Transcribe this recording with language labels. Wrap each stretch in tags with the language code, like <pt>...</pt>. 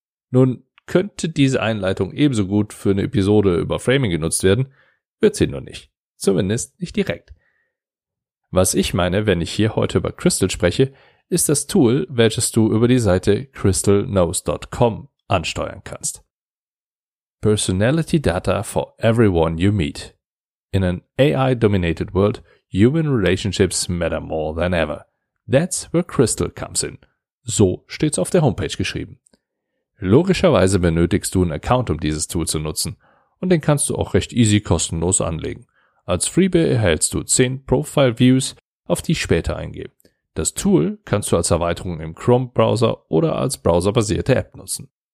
<de>Nun könnte diese Einleitung ebenso gut für eine Episode über Framing genutzt werden, wird sie nur nicht, zumindest nicht direkt. Was ich meine, wenn ich hier heute über Crystal spreche, ist das Tool, welches du über die Seite crystalknows.com ansteuern kannst.</de> <en>Personality data for everyone you meet. In an AI-dominated world, human relationships matter more than ever. That's where Crystal comes in.</en> <de>So steht's auf der Homepage geschrieben. Logischerweise benötigst du einen Account, um dieses Tool zu nutzen, und den kannst du auch recht easy kostenlos anlegen. Als Freebie erhältst du 10 Profile-Views, auf die ich später eingehe. Das Tool kannst du als Erweiterung im Chrome-Browser oder als browserbasierte App nutzen.</de>